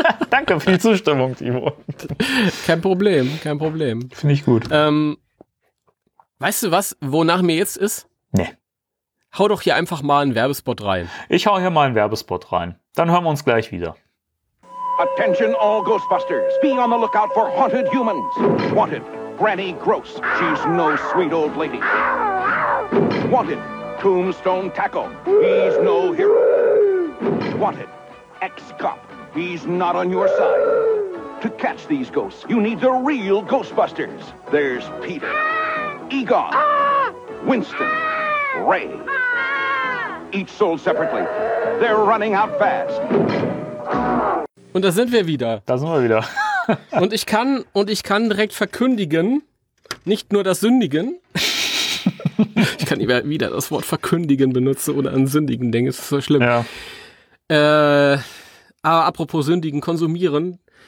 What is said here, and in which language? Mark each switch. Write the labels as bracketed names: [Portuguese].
[German] Danke für die Zustimmung, Timo. Kein Problem. Finde ich gut. Weißt du was, wonach mir jetzt ist? Nee. Hau doch hier einfach mal einen Werbespot rein. Ich hau hier mal einen Werbespot rein. Dann hören wir uns gleich wieder. [English] Attention all Ghostbusters. Be on the lookout for haunted humans. Wanted, Granny Gross. She's no sweet old lady. Wanted, Tombstone Tackle. He's no hero. Wanted, ex-cop. He's not on your side. To catch these ghosts, you need the real Ghostbusters. There's Peter, Egon, Winston, Ray. Each sold separately. They're running out fast. [German] Und da sind wir wieder. Da sind wir wieder. Und ich kann direkt verkündigen, nicht nur das Sündigen. Ich kann immer wieder das Wort verkündigen benutzen oder an Sündigen denken, es ist so schlimm. Ja. Aber apropos Sündigen, konsumieren.